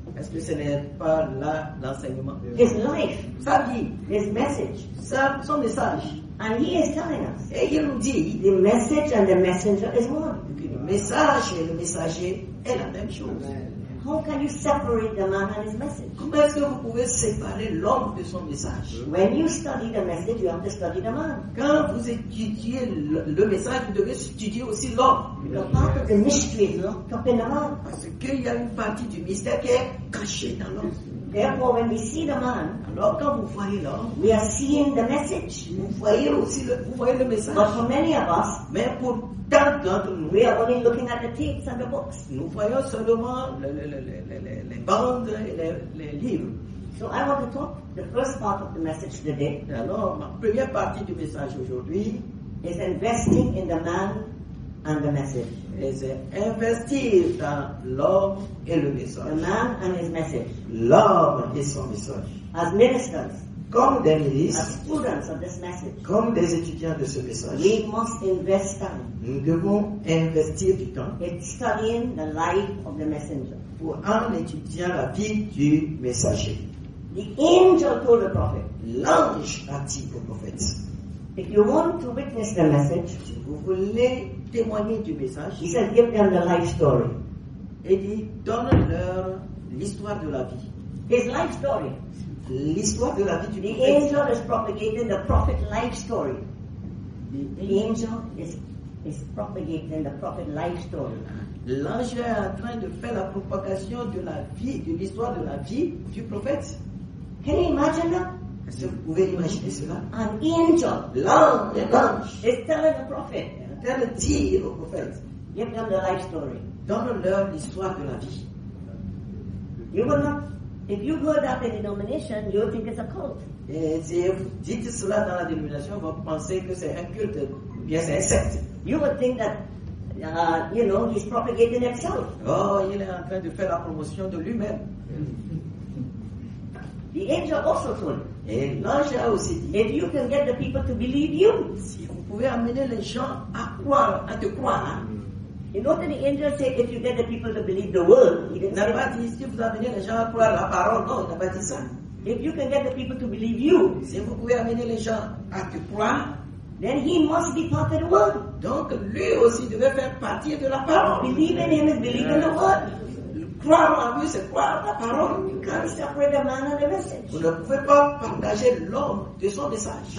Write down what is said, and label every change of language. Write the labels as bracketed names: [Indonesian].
[French] Est-ce que ce n'est pas là l'enseignement? [English] His life. [French] Sa vie. [English] His message. [French] Son message. [English] And he is telling us. [French] Et il nous dit. [English] The message and the messenger is one. [French] Le message et le messager est la même chose. [English] How can you separate the man and his message? [French] Comment est-ce que vous pouvez séparer l'homme de son message? [English] When you study the message, you have to study the man. [French] Quand vous étudiez le message, vous devez étudier aussi l'homme. [English] The part of the mystery is locked up in the man. [French] Parce qu'il y a une partie du mystère qui est cachée dans l'homme. [English] Therefore, when we see the man, [French] alors quand vous voyez l'homme, [English] we are seeing the message. [French] Vous voyez le message. [English] But for many of us, [French] mais pour tant d'entre nous, [English] we are only looking at the tapes and the books. [French] Nous voyons seulement les bandes et les livres. [English] So I want to talk the first part of the message today. [French] Alors, ma première partie du message aujourd'hui [English] is investing in the man and the message. [French] C'est investir dans l'homme et le message. [English] The man and his message. [French] L'homme et son message. [English] As ministers, [French] comme des ministres, [English] as students of this message, [French] comme des étudiants de ce message, [English] we must invest time. [French] Nous devons investir du temps [English] in studying the life of the messenger. [French] Pour en étudiant la vie du messager. [English] The angel told the prophet. [French] L'ange a dit au prophète. [English] If you want to witness the message, [French] si vous voulez témoigner du message, [English] he said, give them the life story. [French] Et dit, donne-leur l'histoire de la vie. [English] His life story. [French] L'histoire de la vie du prophète. [English] The angel is propagating the prophet life story. The angel is propagating the prophet life story. [French] L'ange est en train de faire la propagation de la vie, de l'histoire de la vie du prophète. [English] Can you imagine that? [French] Est-ce que vous pouvez imaginer cela? [English] An angel, [French] l'ange, [English] is telling the prophet. Tell the [French] dire au prophète. [English] Give them the life story. [French] Donne-leur l'histoire de la vie. [English] You will not. If you go that in a denomination, you'll think it's a cult. [French] Et si vous dites cela dans la dénomination, vous pensez que c'est un culte, ou bien c'est un secte. [English] You will think that, you know, he's propagating himself. [French] Oh, il est en train de faire la promotion de lui-même. [English] The angel also told him. [French] Et l'ange a aussi dit. [English] If you can get the people to believe you. [French] Si vous pouvez amener les gens à croire, à te croire. [English] You know what the angel said, if you get the people to believe the word. [French] Il n'a pas dit, si vous amenez les gens à croire la parole. Non, il n'a pas dit ça. [English] If you can get the people to believe you. [French] Si vous pouvez amener les gens à te croire. [English] Then he must be part of the word. [French] Donc lui aussi devait faire partie de la parole. [English] Believe in him is believe in the word. [French] Croire en lui, c'est croire la parole. [English] You can't separate the man and the message. [French] Vous ne pouvez pas partager l'homme de son message.